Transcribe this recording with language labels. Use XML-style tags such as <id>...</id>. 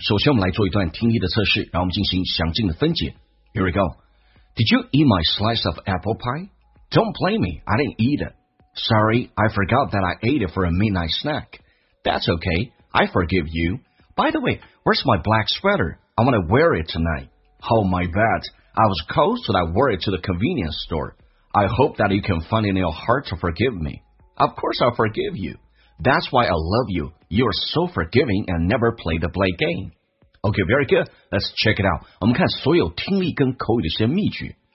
<zh>首先我们来做一段听力的测试，然后我们进行详尽的分解。</zh> <en>Here we go. Did you eat my slice of apple pie? Don't blame me, I didn't eat it. Sorry, I forgot that I ate it for a midnight snack. That's okay, I forgive you. By the way, where's my black sweater? I want to wear it tonight. Oh my bad, I was cold so I wore it to the convenience store. I hope that you can find it in your heart to forgive me. Of course I'll forgive you. That's why I love you. You are so forgiving and never play the blame game. Okay, very good. Let's check it out.</en> <zh>我们看所有听力跟口语的一些秘诀。</zh>